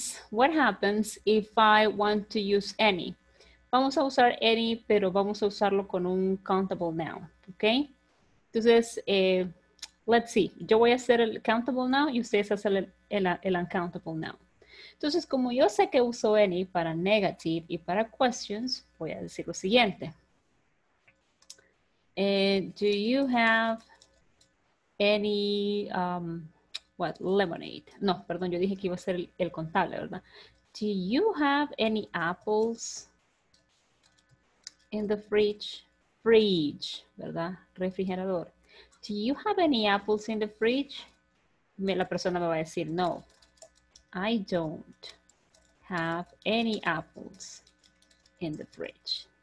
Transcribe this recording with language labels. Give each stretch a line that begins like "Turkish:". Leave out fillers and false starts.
English: What happens if I want to use any?
Spanish: Vamos a usar any, pero vamos a usarlo con un countable noun, ¿ok? Entonces,
English: let's see.
Spanish: Yo voy a hacer el countable noun y ustedes hacen el uncountable noun. Entonces, como yo sé que uso any para negative y para questions, voy a decir lo siguiente.
English: Do you have any, what, lemonade?
Spanish: No, perdón, yo dije que iba a ser el contable, ¿verdad?
English: Do you have any apples in the fridge? Fridge,
Spanish: ¿verdad? Refrigerador.
English: Do you have any apples in the fridge?
Spanish: La persona me va a decir no.
English: I don't have any apples in the fridge.